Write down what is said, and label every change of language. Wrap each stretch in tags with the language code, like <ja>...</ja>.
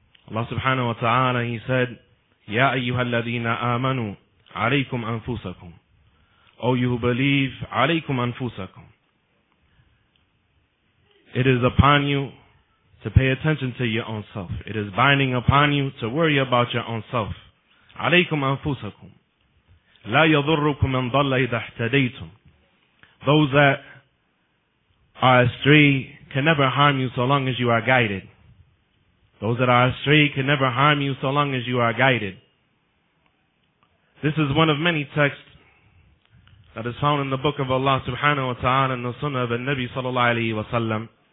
<en>Allah subhanahu wa ta'ala, He said,</en> <ar>Ya ayyuhal ladhina amanu, alaykum anfusakum.</ar> <en>O you who believe,</en> <ar>alaykum anfusakum.</ar> <en>It is upon you to pay attention to your own self. It is binding upon you to worry about your own self.</en> <ar>عليكم أنفسكم لا يضركم من ضل إذا احتديتم.</ar> <en>Those that are astray can never harm you so long as you are guided. Those that are astray can never harm you so long as you are guided. This is one of many texts that is found in the book of Allah subhanahu wa ta'ala and the sunnah of al-Nabi sallallahu alayhi wa sallam</en>